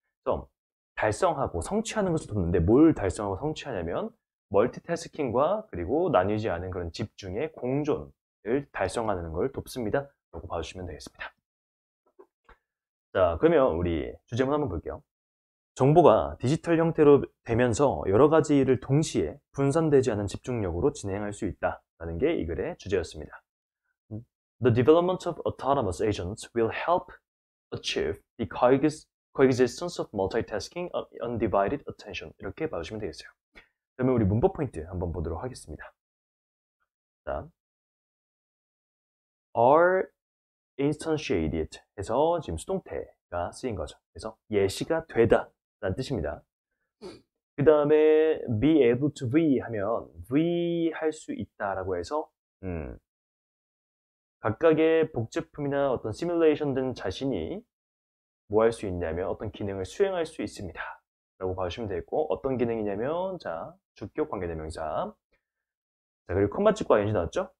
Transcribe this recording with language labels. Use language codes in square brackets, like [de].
[ko] 그럼 달성하고 성취하는 것을 돕는데 뭘 달성하고 성취하냐면 멀티태스킹과 그리고 나뉘지 않은 그런 집중의 공존을 달성하는 걸 돕습니다. 라고 봐주시면 되겠습니다. 자, 그러면 우리 주제문 한번 볼게요. 정보가 디지털 형태로 되면서 여러 가지 일을 동시에 분산되지 않은 집중력으로 진행할 수 있다라는 게이 글의 주제였습니다. [en] The development of autonomous agents will help achieve the coexistence of multitasking and undivided attention. [ko] 이렇게 봐주시면 되겠어요. 그러면 우리 문법 포인트 한번 보도록 하겠습니다. 자, [en] are instantiated [ko] 해서 지금 수동태가 쓰인 거죠. 그래서 예시가 되다. 라는 뜻입니다. 그 다음에 [en] be able to be [ko] 하면 we 할수 있다라고 해서 각각의 복제품이나 어떤 시뮬레이션된 자신이 뭐할수 있냐면 어떤 기능을 수행할 수 있습니다라고 봐주시면 되겠고 어떤 기능이냐면 자 주격 관계대명사 자 그리고 콤마 찍고 ing 나왔죠?